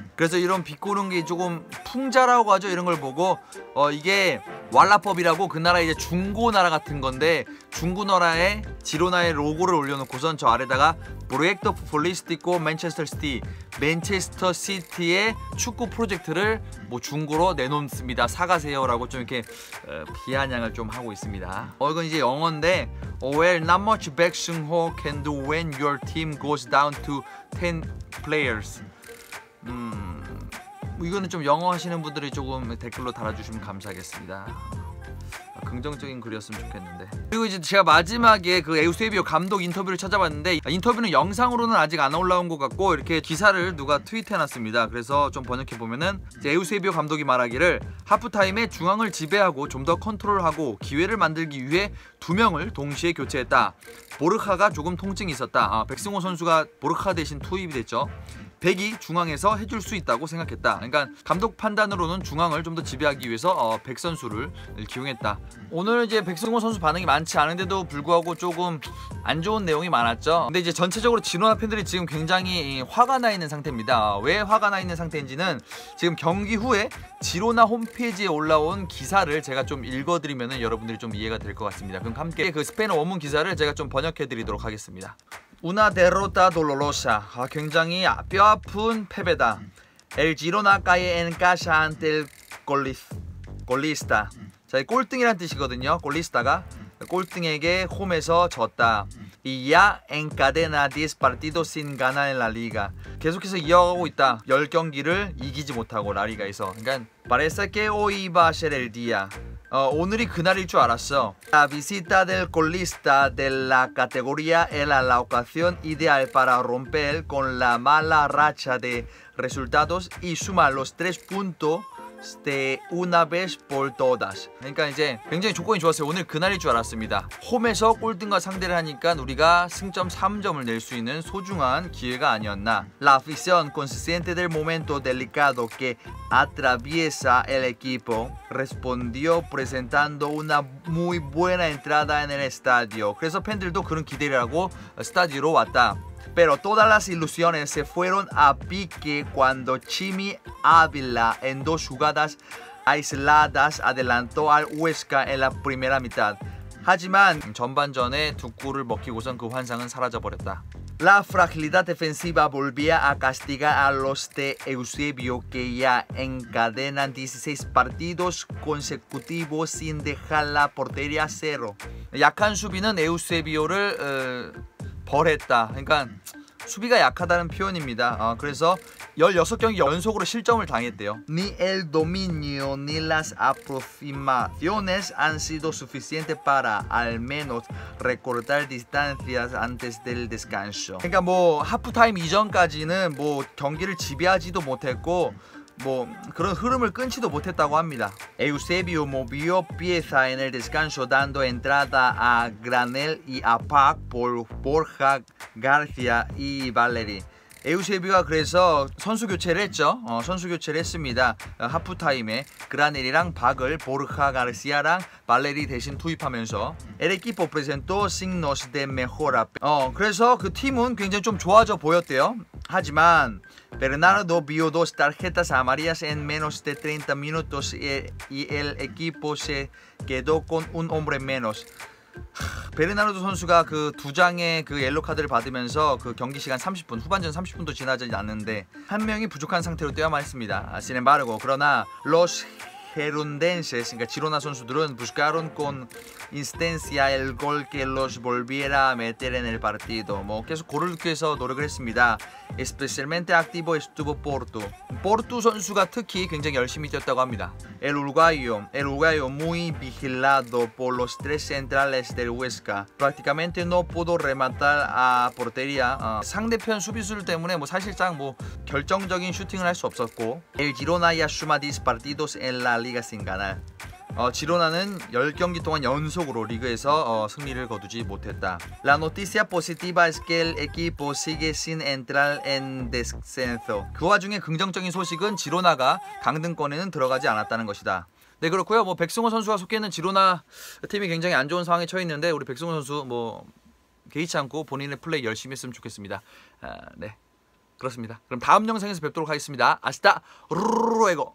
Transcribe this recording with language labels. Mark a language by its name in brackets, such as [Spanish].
[Korean] 그래서 이런 비꼬는 게 조금 풍자라고 하죠. 이런 걸 보고 이게 왈라법이라고 그 나라 이제 중고 나라 같은 건데 중고 나라에 지로나의 로고를 올려놓고선 저 아래다가 브로젝트 폴리스티코 맨체스터 시티 맨체스터 시티의 축구 프로젝트를 뭐 중고로 내놓습니다. 사가세요라고 좀 이렇게 비아냥을 좀 하고 있습니다. 이건 이제 영어인데 [English] Well, not much 백승호 can do when your team goes down to 10 players. [Korean] 이거는 좀 영어 하시는 분들이 조금 댓글로 달아주시면 감사하겠습니다. 긍정적인 글이었으면 좋겠는데. 그리고 이제 제가 마지막에 그 에우세비오 감독 인터뷰를 찾아봤는데 인터뷰는 영상으로는 아직 안 올라온 것 같고 이렇게 기사를 누가 트윗해놨습니다. 그래서 좀 번역해보면은 에우세비오 감독이 말하기를 하프타임에 중앙을 지배하고 좀 더 컨트롤하고 기회를 만들기 위해 두 명을 동시에 교체했다. 보르카가 조금 통증이 있었다. 백승호 선수가 보르카 대신 투입이 됐죠. 백이 중앙에서 해줄 수 있다고 생각했다. 그러니까 감독 판단으로는 중앙을 좀 더 지배하기 위해서 백 선수를 기용했다. 오늘 이제 백승호 선수 반응이 많지 않은데도 불구하고 조금 안 좋은 내용이 많았죠. 근데 이제 전체적으로 지로나 팬들이 지금 굉장히 화가 나 있는 상태입니다. 왜 화가 나 있는 상태인지는 지금 경기 후에 지로나 홈페이지에 올라온 기사를 제가 좀 읽어드리면 여러분들이 좀 이해가 될 것 같습니다. 그럼 함께 그 스페인어 원문 기사를 제가 좀 번역해드리도록 하겠습니다. [Spanish] Una derrota dolorosa. [Korean] 굉장히 뼈 아픈 패배다. [Spanish] El Girona cae en casa ante el colista. [Korean] 자, 꼴등이란 뜻이거든요. 골리스타가 꼴등에게 홈에서 졌다. [Spanish] Y ya encadena 10 partidos sin ganar en la liga. [Korean] 계속해서 이어가고 있다. 열 경기를 이기지 못하고 라리가에서. 그러니까 [Spanish] parece que hoy va a ser el día. [Korean] 오늘이 그날일 줄 알았어. [Spanish] La visita del colista de la categoría era la ocasión ideal para romper con la mala racha de resultados y sumar los tres puntos de una vez por todas. [Korean] 그러니까 이제 굉장히 조건이 좋았어요. 오늘 그날일 줄 알았습니다. 홈에서 꼴등과 상대를 하니까 우리가 승점 3점을 낼 수 있는 소중한 기회가 아니었나. [Spanish] La afición consciente del momento delicado que atraviesa el equipo respondió presentando una muy buena entrada en el estadio. [Korean] 그래서 팬들도 그런 기대를 하고 스타디오로 왔다. [Spanish] Pero todas las ilusiones se fueron a pique cuando Chimi Ávila en dos jugadas aisladas adelantó al Huesca en la primera mitad. [Korean] 하지만 전반전에 두 골을 먹히고선 그 환상은 사라져버렸다. [Spanish] La fragilidad defensiva volvía a castigar a los de Eusebio que ya encadenan 16 partidos consecutivos sin dejar la portería cero. [Korean] 약한 수비는 에우세비오를 벌했다. 그러니까 수비가 약하다는 표현입니다. 그래서 16경기 연속으로 실점을 당했대요. [Spanish] Ni el dominio ni las aproximaciones han sido suficiente para al menos recortar distancias antes del descanso. [Korean] 그러니까 뭐 하프타임 이전까지는 뭐 경기를 지배하지도 못했고 뭐 그런 흐름을 끊지도 못했다고 합니다. [Spanish] Eusebio movió pieza en el descanso dando entrada a Granel y a Park por Borja García y Valeri. [Korean] 에우세비오가 그래서 선수 교체를 했죠. 선수 교체를 했습니다. 하프타임에 그라넬이랑 박을 보르하 가르시아랑 발레리 대신 투입하면서 [Spanish] El equipo presentó signos de mejora. [Korean] 그래서 그 팀은 굉장히 좀 좋아져 보였대요. 하지만 [Spanish] Bernardo vio dos tarjetas amarillas en menos de 30 minutos y el equipo se quedó con un hombre menos. [Korean] 베르나르도 선수가 그 두 장의 그 옐로 카드를 받으면서 그 경기 시간 30분 후반전 30분도 지나지 않았는데 한 명이 부족한 상태로 뛰어말았습니다. 아시는 바르고 그러나 [Spanish] 로스 헤룬덴세스 [Korean] 그러니까 지로나 선수들은 [Spanish] 부스카론 콘 인스텐시아 엘 골 케 로스 볼비에라 메테레 넬 파르티도 [Korean] 뭐 계속 골을 넣기 위해서 노력을 했습니다. [Spanish] 에스페셜멘테 액티보 에스투보 [Korean] 포르투. 포르투 선수가 특히 굉장히 열심히 뛰었다고 합니다. [Spanish] El Uruguayo muy vigilado por los tres centrales del Huesca. Prácticamente no pudo rematar a portería. [Korean] 상대편 수비수들 때문에 뭐 사실상 뭐 결정적인 슈팅을 할 수 없었고. [Spanish] El Girona y Asuma 10 partidos en la Liga sin ganar. [Korean] 지로나는 10경기 동안 연속으로 리그에서 승리를 거두지 못했다. [Spanish] La noticia positiva es que el equipo sigue sin entrar en descenso. [Korean] 그 와중에 긍정적인 소식은 지로나가 강등권에는 들어가지 않았다는 것이다. 네 그렇고요. 뭐 백승호 선수가 속해 있는 지로나 팀이 굉장히 안 좋은 상황에 처해 있는데 우리 백승호 선수 뭐 개의치 않고 본인의 플레이 열심히 했으면 좋겠습니다. 네 그렇습니다. 그럼 다음 영상에서 뵙도록 하겠습니다. 아시다 루루루에고.